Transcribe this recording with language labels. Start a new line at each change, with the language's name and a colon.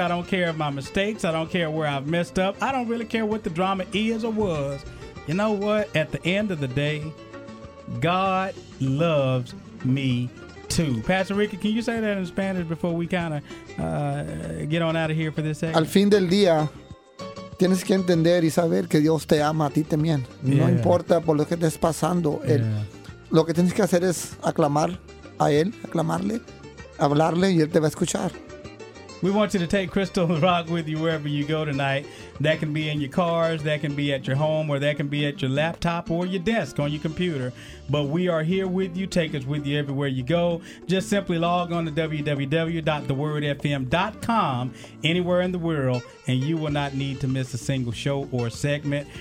English: I don't care my mistakes. I don't care where I've messed up. I don't really care what the drama is or was. You know what? At the end of the day, God loves me too. Pastor Ricky, can you say that in Spanish before we kind of get on out of here for this segment?
Spanish: Al fin del día, tienes que entender y saber que Dios te ama a ti también. Yeah. No importa por lo que estés pasando. Yeah. Lo que tienes que hacer es aclamar a Él, aclamarle, hablarle, y Él te va a escuchar.
English: We want you to take Crystal Rock with you wherever you go tonight. That can be in your cars, that can be at your home, or that can be at your laptop or your desk on your computer. But we are here with you. Take us with you everywhere you go. Just simply log on to www.thewordfm.com anywhere in the world, and you will not need to miss a single show or segment.